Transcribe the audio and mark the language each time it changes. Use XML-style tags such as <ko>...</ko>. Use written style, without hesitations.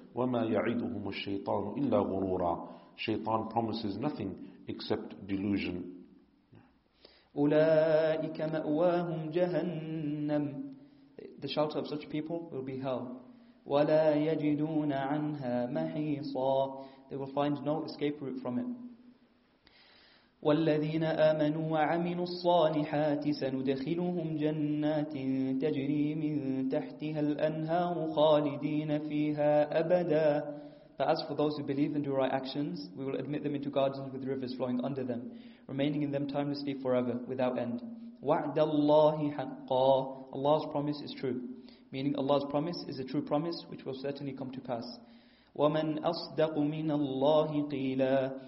<ar>وَمَا يَعِدُهُمُ الشَّيْطَانُ إِلَّا غُرُورًا.</ar> <en>Shaytan promises nothing except delusion.</en> <ar>أُولَٰئِكَ مَأْوَاهُمْ جَهَنَّمْ.</ar> <en>The shelter of such people will be hell.</en> <ar>وَلَا يَجِدُونَ عَنْهَا مَحِيصًا.</ar> <en>They will find no escape route from it.</en> <ar>والذين آمنوا وعملوا الصالحات سندخلهم جنات تجري من تحتها الأنهار خالدين فيها أبدا.</ar> <en>But as for those who believe and do right actions, we will admit them into gardens with rivers flowing under them, remaining in them timelessly forever, without end.</en> <ar>وعد الله حقا.</ar> <en>Allah's promise is true, meaning Allah's promise is a true promise which will certainly come to pass.</en> <ar>وَمَنْ أَصْدَقُ مِنَ اللَّهِ قِيلًا.</ar>